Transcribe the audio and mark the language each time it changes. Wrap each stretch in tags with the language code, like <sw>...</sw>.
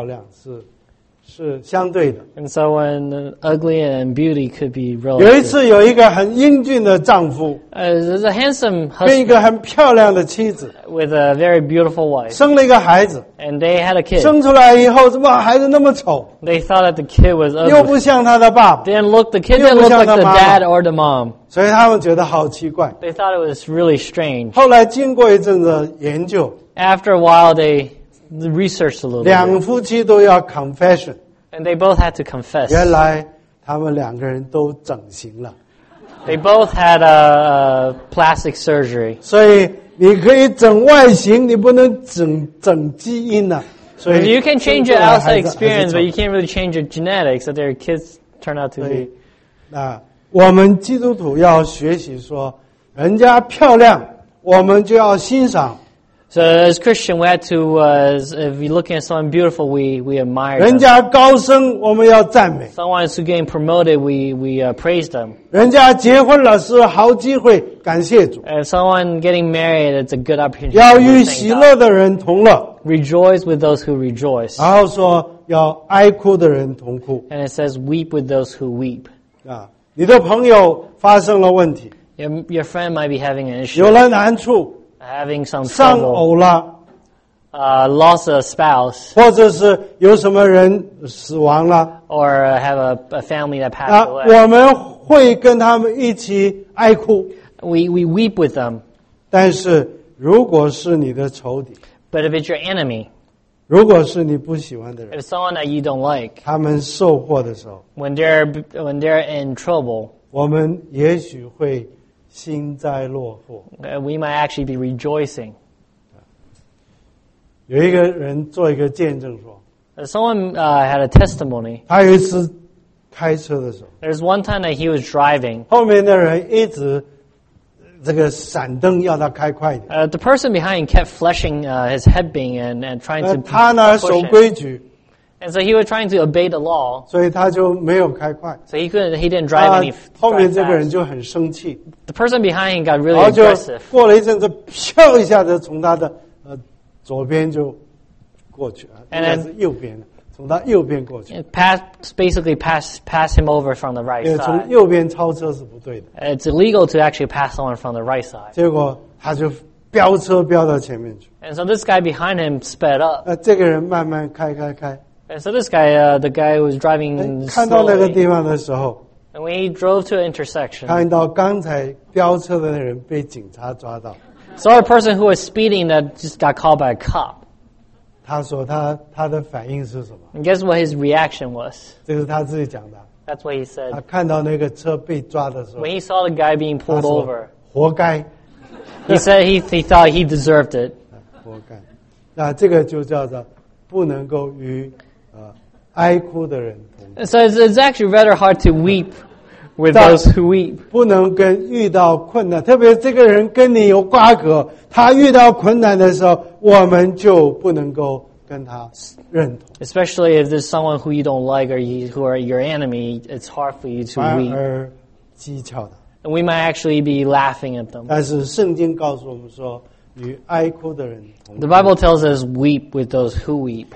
<zh>所以丑恶，你说你丑，你说你漂亮，是相对的。</zh> <en>And so when ugly and beauty could be relative.</en> <zh>有一次有一个很英俊的丈夫，</zh> <en>There's a handsome husband</en> <zh>跟一个很漂亮的妻子，</zh> <en>with a very beautiful wife.</en> <zh>生了一个孩子，</zh> <en>And they had a kid.</en> <zh>生出来以后， 怎么孩子那么丑？</zh> <en>They thought that the kid was ugly.</en> <zh>又不像他的爸爸，</zh> <en>didn't look, The kid didn't look like the dad or the mom.</en> <zh>所以他们觉得好奇怪。</zh> <en>They thought it was really strange.</en> <zh>后来经过一阵子研究，</zh> <en>After a while they researched a little bit.</en> <zh>两夫妻都要 confession，</zh> <en>And they both had to confess.</en> <zh>原来他们两个人都整形了。</zh> <en>They both had a plastic surgery.</en> <zh>所以你可以整外形，你不能整基因呐。</zh> <en>So you can change your outside experience, but you can't really change your genetics, so their kids turn out to be.</en> <zh>那我们基督徒要学习说，人家漂亮，我们就要欣赏。</zh> <en>So as Christian, we have to, if we look at someone beautiful, we admire them.</en> <zh>人家高升，我们要赞美。</zh> <en>Someone is getting promoted, we praise them.</en> <zh>人家结婚了是好机会，感谢主。</zh> <en>And someone getting married, it's a good opportunity.</en> <zh>要与喜乐的人同乐。</zh> <en>Rejoice with those who rejoice.</en> <zh>然后说要哀哭的人同哭。</zh> <en>And it says weep with those who weep.</en> <zh>啊，你的朋友发生了问题。</zh> <en>Your friend might be having an issue.</en> <zh>有了难处。</zh> <en>Having some trouble, lost a spouse,</en> <zh>或者是有什么人死亡了</zh> <en>or have a family that passed away.</en> <zh>我们会跟他们一起哀哭</zh> <en>We weep with them.</en> <zh>但是如果是你的仇敌</zh> <en>But if it's your enemy,</en> <zh>如果是你不喜欢的人</zh> <en>if someone that you don't like,</en> <zh>他们受祸的时候</zh> <en>when they're in trouble,</en> <zh>我们也许会心在落魄。</zh> <en>We might actually be rejoicing.</en> <zh>有一个人做一个见证说</zh> <en>Someone had a testimony.</en> <zh>他有一次开车的时候</zh> <en>There's one time that he was driving.</en> <zh>后面的人一直这个闪灯要他开快点。</zh> <en>The person behind kept flashing his head beam and trying to push it.</en> <zh>他呢守规矩。</zh> <en>And so he was trying to obey the law.</en> <zh>所以他就没有开快。</zh> <en>So he didn't drive any fast.</en> <zh>后面这个人就很生气。</zh> <en>The person behind him got really aggressive.</en> <zh>然后就过了一阵子，飘一下子从他的左边就过去了，应该是右边，从他右边过去。</zh> <en>Basically pass him over from the right side.</en> <zh>从右边超车是不对的。</zh> <en>It's illegal to actually pass someone from the right side.</en> <zh>结果他就飙车飙到前面去。</zh> <en>And so this guy behind him sped up.</en> <zh>这个人慢慢开。</zh> <en>And so this guy, the guy who was driving slowly,</en> <zh>看到那个地方的时候</zh> <en>and when he drove to an intersection,</en> <zh>看到刚才飙车的人被警察抓到</zh> <en>saw a person who was speeding that just got caught by a cop.</en> <zh>他说他的反应是什么</zh> <en>And guess what his reaction was?</en> <zh>这是他自己讲的</zh> <en>That's what he said.</en> <zh>他看到那个车被抓的时候</zh> <en>When he saw the guy being pulled over,</en> <zh>活该</zh> <en>He said he thought he deserved it.</en> <zh>活该那这个就叫做不能够与哀哭的人</zh> <en>So it's actually rather hard to weep with those who weep.</en> <zh>不能跟遇到困难，特别这个人跟你有瓜葛，他遇到困难的时候，我们就不能够跟他认同。</zh> <en>Especially if there's someone who you don't like or who are your enemy, it's hard for you to weep.</en> <zh>反而讥诮他。</zh> <en>And we might actually be laughing at them.</en> <zh>但是圣经告诉我们说。与哀哭的人同哭。</zh> <en>The Bible tells us weep with those who weep.</en>